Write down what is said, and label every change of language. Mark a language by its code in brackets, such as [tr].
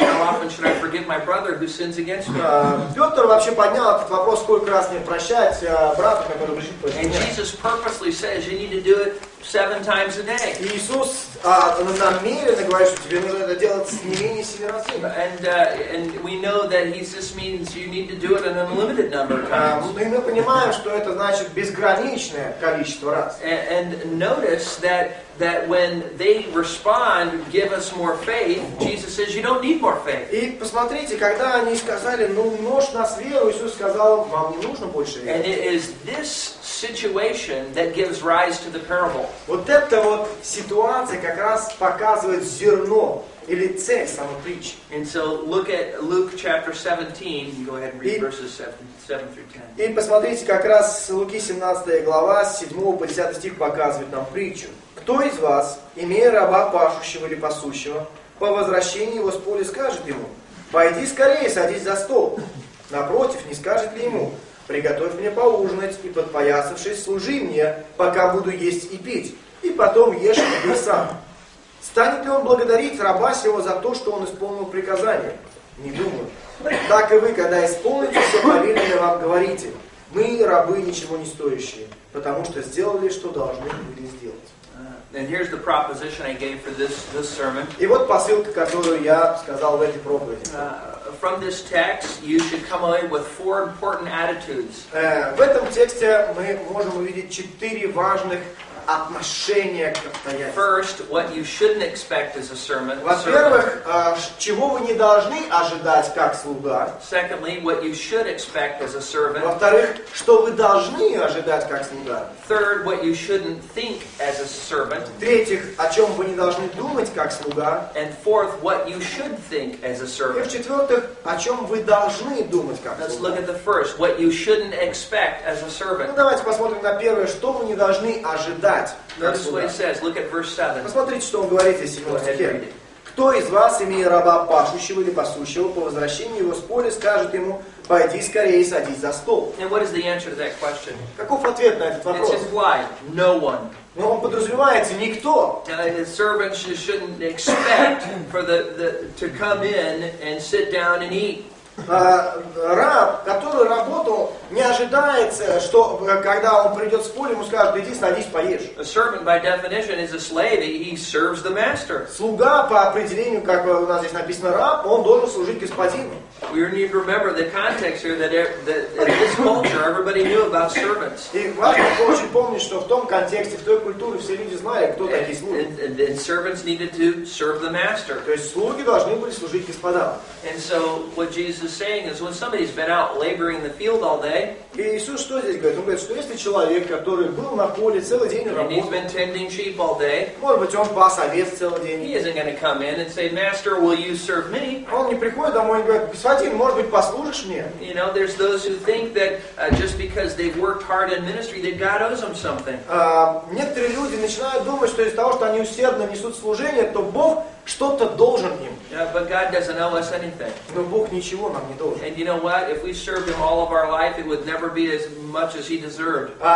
[en] How often should I forgive my brother who sins against me? [ru] Петр вообще поднял этот вопрос, сколько раз мне прощать брата, который грешит против меня. [en] And Jesus purposely says you need to do it seven times a day. [ru] Иисус намеренно говорит, что тебе нужно это делать не менее семи раз. [en] And we know that he just means you need to do it an unlimited number of times. [ru] Мы понимаем, что это значит безграничное количество раз. [en] And notice that when they respond, give us more faith, Jesus says you don't need more faith. [ru] И посмотрите, когда они сказали, ну умножь нас веру, Иисус сказал, вам не нужно больше веры. [en] And it is this situation that gives rise to the parable. [ru] Вот эта вот ситуация как раз показывает зерно или цель самой притчи. [en] And so look at Luke chapter 17. You go ahead and read verses 7 through 10. [ru] И посмотрите, как раз Луки 17 глава с 7 по 10 стих показывает нам притчу. Кто из вас, имея раба пашущего или пасущего, по возвращении его с поля скажет ему, Пойди скорее, садись за стол. Напротив, не скажет ли ему, приготовь мне поужинать и, подпоясавшись, служи мне, пока буду есть и пить, и потом ешь и ты сам. Станет ли он благодарить раба сего за то, что он исполнил приказание? Не думаю. Так и вы, когда исполните все повеленное, вам говорите, мы, рабы, ничего не стоящие, потому что сделали, что должны были сделать. [en] And here's the proposition I gave for this sermon. [ru] И вот посылка, которую я сказал в этой проповеди. [en] From this text, you should come away with four important attitudes. [ru] В этом тексте мы можем увидеть четыре важных отношения к обстоятельствам. [en] First, what you shouldn't expect as a sermon. [ru] Во-первых, чего вы не должны ожидать как слуга. [en] Secondly, what you should expect as a servant. [ru] Во-вторых, что вы должны ожидать как слуга. [en] Third, what you shouldn't think as a servant. [ru] В-третьих, о чем вы не должны думать как слуга. [en] And fourth, what you should think as a servant. [ru] И в-четвертых, о чем вы должны думать как слуга. [en] Let's look at the first, what you shouldn't expect as a servant. [ru] Ну давайте посмотрим на первое, что вы не должны ожидать. [en] Notice what it says. Look at verse 7. [ru] Посмотрите, что он говорит здесь. Кто из вас, имея раба пашущего или пасущего, по возвращении его с поля, скажет ему, пойди скорее и садись за стол? [en] And what is the answer to that question? [ru] Каков ответ на этот вопрос? [en] It's implied. No one. [ru] Но он подразумевается, никто. [en] His servants shouldn't expect for to come in and sit down and eat. [ru] Раб, который работал, не ожидается, что когда он придет с поля, ему скажут, иди садись, поешь. [en] A servant, by definition, is a slave. He serves the master. [ru] Слуга, по определению, как у нас здесь написано, раб, он должен служить господину. [en] We need to remember the context here, that in this culture, everybody knew about servants. [ru] И важно очень помнить, что в том контексте, в той культуре, все люди знали, кто такие слуги. [en] And servants needed to serve the master. [ru] То есть слуги должны были служить господам. [en] And so, what Jesus is saying is, when somebody's been out laboring in the field all day, [ru] и Иисус что здесь говорит? Он говорит, что если человек, который был на поле целый день [en] and [ru] работал, [en] he's been tending sheep all day, [ru] может быть, он пас овец целый день, [en] he isn't going to come in and say, Master, will you serve me? [ru] Он не приходит домой и говорит, Господин, может быть, послужишь мне? [en] You know, there's those who think that just because they've worked hard in ministry, that God owes them something. [ru] Некоторые люди начинают думать, что из-за того, что они усердно несут служение, то Бог что-то должен им. [en] Yeah, but God doesn't owe us anything. [ru] Но Бог ничего нам не должен. [en] And you know what? If we served Him all of our life, it would never be as much as He deserved.